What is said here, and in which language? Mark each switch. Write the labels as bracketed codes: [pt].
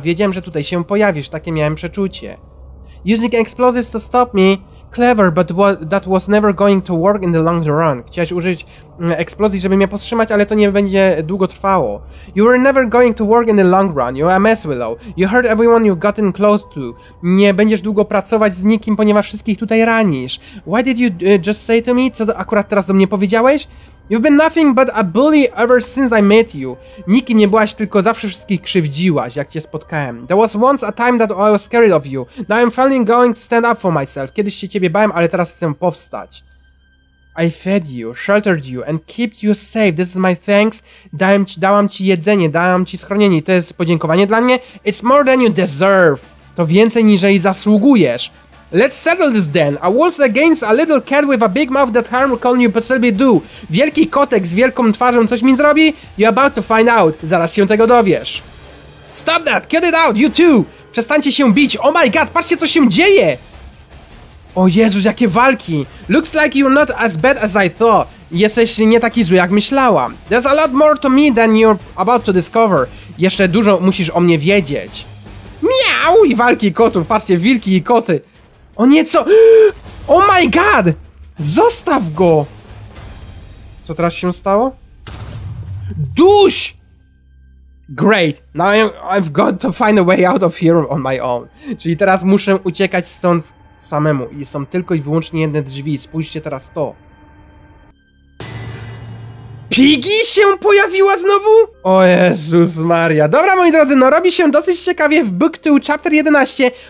[pl] Wiedziałem, że tutaj się pojawisz. Takie miałem przeczucie. [en] Using explosives to stop me. Clever, but that was never going to work in the long run. [pl] Chciałeś użyć eksplozji, żeby mnie powstrzymać, ale to nie będzie długo trwało. [en] You were never going to work in the long run. You're a mess, Willow. You hurt everyone you've gotten close to. [pl] Nie będziesz długo pracować z nikim, ponieważ wszystkich tutaj ranisz. [en] Why did you just say to me? [pl] Co akurat teraz do mnie powiedziałeś? [en] You've been nothing but a bully ever since I met you. [pl] Nikim nie byłaś, tylko zawsze wszystkich krzywdziłaś, jak cię spotkałem. [en] There was once a time that I was scared of you. Now I'm finally going to stand up for myself. [pl] Kiedyś się ciebie bałem, ale teraz chcę powstać. [en] I fed you, sheltered you, and kept you safe. This is my thanks. [pl] Dałam ci jedzenie, dałam ci schronienie. To jest podziękowanie dla mnie. [en] It's more than you deserve. [pl] To więcej, niż jej zasługujesz. [en] Let's settle this then. A wolf against a little cat with a big mouth that harm can you possibly do? [pl] Wielki kotek z wielką twarzą coś mi zrobi? [en] You're about to find out. [pl] Zaraz się tego dowiesz. [en] Stop that! Cut it out! You too! [pl] Przestańcie się bić! [en] Oh my god! [pl] Patrzcie co się dzieje! O Jezus, jakie walki! [en] Looks like you're not as bad as I thought. [pl] jesteś nie taki zły, jak myślałam. [en] There's a lot more to me than you're about to discover. [pl] Jeszcze dużo musisz o mnie wiedzieć. Miau! I walki kotów, patrzcie, wilki i koty. O nieco... [en] Oh my god! [pl] Zostaw go! Co teraz się stało? Duś! [en] Great, now I've got to find a way out of here on my own. [pl] Czyli teraz muszę uciekać stąd samemu. I są tylko i wyłącznie jedne drzwi. Spójrzcie teraz to. Piggy się pojawiła znowu? O Jezus Maria. Dobra, moi drodzy, no robi się dosyć ciekawie w Book 2 Chapter 11.